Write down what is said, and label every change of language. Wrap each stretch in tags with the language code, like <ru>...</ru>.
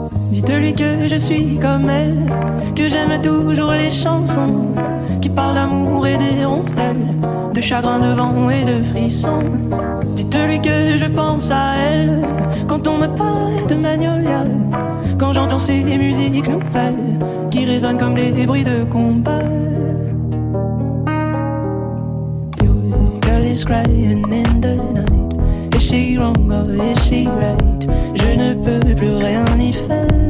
<fr>Dites-lui que je suis comme elle, que j'aime toujours les chansons qui parlent d'amour et des rondelles, de chagrin de vent et de frissons. Dites-lui que je pense à elle quand on me parle de Magnolia, quand j'entends ces musiques nouvelles qui résonnent comme des bruits de combat.</fr> <en>Your girl is crying in the night. Is she wrong or is she right?</en> <fr>Je ne peux plus rien y faire.</fr>